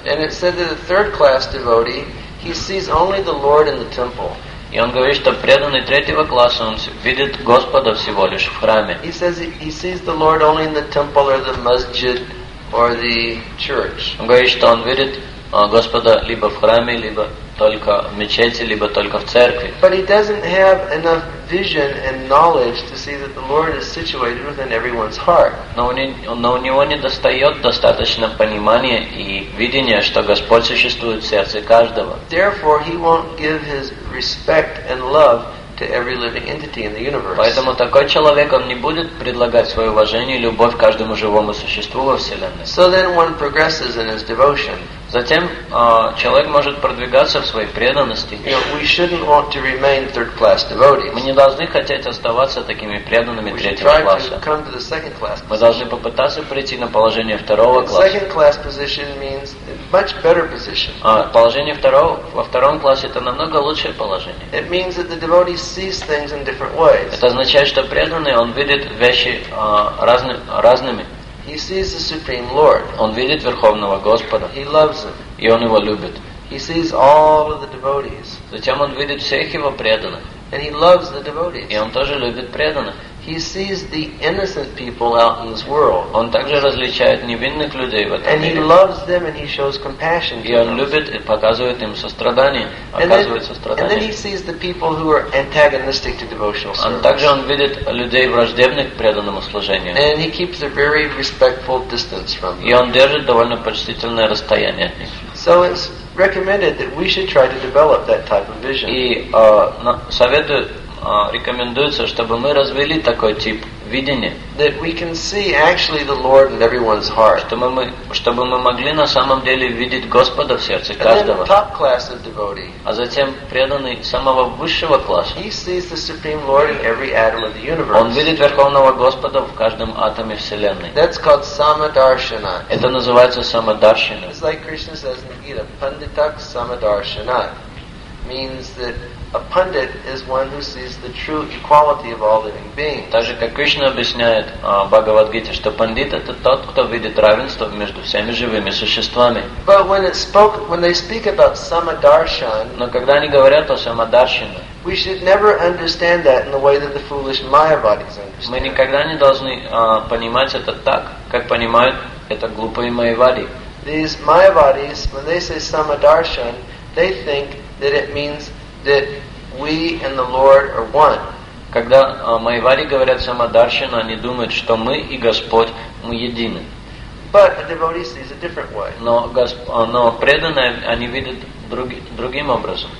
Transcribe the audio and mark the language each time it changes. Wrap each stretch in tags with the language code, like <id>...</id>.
<en>And it said that the third class devotee, he sees only the Lord in the temple.</en> <ru>И он говорит, что преданный третьего класса, он видит Господа всего лишь в храме.</ru> <en>He says he sees the Lord only in the temple or the masjid or the church.</en> <ru>Он говорит, что он видит Господа либо в храме, либо только в мечети, либо только в церкви.</ru> <en>But he doesn't have enough vision and knowledge to see that the Lord is situated within everyone's heart.</en> <ru>Но у него не достает достаточно понимания и видения, что Господь существует в сердце каждого.</ru> <en>Therefore, he won't give his respect and love to every living entity in the universe.</en> <ru>Поэтому такой человек он не будет предлагать свое уважение и любовь каждому живому существу во Вселенной.</ru> <en>So then one progresses in his devotion.</en> <ru>Затем человек может продвигаться в своей преданности.</ru> <en>You know, we shouldn't want to remain third class devotees.</en> <ru>Мы не должны хотеть оставаться такими преданными</ru> <en>we</en> <ru>третьего класса.</ru> <en>To come to the second class position.</en> <ru>Мы должны попытаться прийти на положение второго класса.</ru> <en>Second class position means much better position.</en> <ru>Положение второго во втором классе это намного лучшее положение.</ru> <en>It means that the devotee sees things in different ways.</en> <ru>Это означает, что преданный он видит вещи разными.</ru> <en>He sees the Supreme Lord.</en> <ru>Он видит Верховного Господа.</ru> <en>He loves him.</en> <ru>И он его любит.</ru> <en>He sees all of the devotees.</en> <ru>Затем он видит всех его преданных.</ru> <en>And he loves the devotees.</en> <ru>И он тоже любит преданных.</ru> <en>He sees the innocent people out in this world.</en> <ru>Он также различает невинных людей в этом мире.</ru> <en>And he loves them and he shows compassion.</en> <ru>И он любит и показывает им сострадание, оказывает сострадание.</ru> <en>And then he sees the people who are antagonistic to devotional service.</en> <ru>Он также он видит людей враждебных к преданному служению.</ru> <en>And he keeps a very respectful distance from them.</en> <ru>И он держит довольно почтительное расстояние от них.</ru> <en>So it's recommended that we should try to develop that type of vision.</en> <ru>И рекомендуется, чтобы мы развили такой тип видение,</ru> <en>that we can see actually the Lord in everyone's heart.</en> <ru>Чтобы мы могли на самом деле видеть Господа в сердце каждого.</ru> <en>And then top class of devotee.</en> <ru>А затем преданный самого высшего класса.</ru> <en>He sees the Supreme Lord in every atom of the universe.</en> <ru>Он видит Верховного Господа в каждом атоме Вселенной.</ru> <en>That's called Samadarshana.</en> <ru>Это называется Самадаршина.</ru> <en>It's like Krishna says in the Gita, Panditak Samadarshana. Means that a pundit is one who sees the true equality of all living beings.</en> <ru>Так же, как Кришна объясняет Бхагавад-гите, что пандит это тот, кто видит равенство между всеми живыми существами.</ru> <en>But when they speak about Samadarshan,</en> <ru>но когда они говорят о Самадаршине,</ru> <en>we should never understand that in the way that the foolish Mayavadis understand.</en> <ru>Мы никогда не должны понимать это так, как понимают это глупые Майявади.</ru> <en>These Mayavadis, when they say Samadarshan, they think that it means that we and the Lord are one.</en> <ru>Когда Майявади говорят Самадаршина, они думают, что мы и Господь, мы едины.</ru> <en>But a devotee sees a different way.</en> <ru>Но преданные, они видят другим образом.</ru>